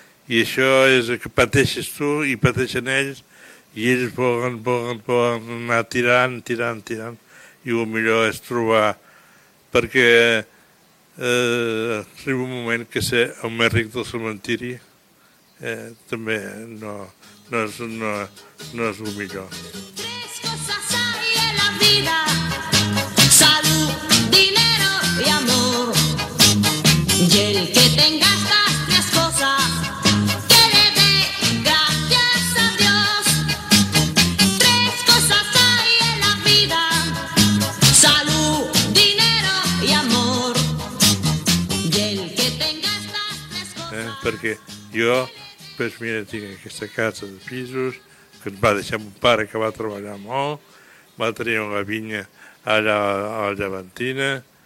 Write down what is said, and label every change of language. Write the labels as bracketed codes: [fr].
[ca] i això és que pateixes tu i pateixen ells, i ells volen anar tirant, i el millor és trobar, perquè arriba un moment que ser el més ric del cementiri també no és el millor. [es] Tres coses hay en la vida: salud, dinero y amor. Y el que tenga estas tres cosas, que le dé gracias a Dios. Tres cosas hay en la vida: salud, dinero y amor. Y el que tenga estas tres cosas. [ca] Porque yo, pues mira, tinc aquesta casa de pisos que ens va deixar mon pare, que va treballar molt, va tenir una vinya allà a la Llevantina,